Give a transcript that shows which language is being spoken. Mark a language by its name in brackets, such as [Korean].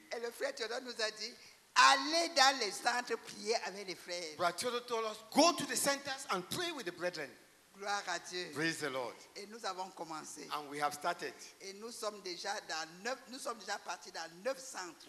[French] Et le frère Théodore nous a dit, allez dans les centres prier avec les frères. [English] But Théodore told us, go to the centers and pray with the brethren. [French] Gloire à Dieu. [English] Praise the Lord. [French] Et nous avons commencé. [English] And we have started. [French] Et nous sommes déjà dans 9, nous sommes déjà partis dans 9 centres.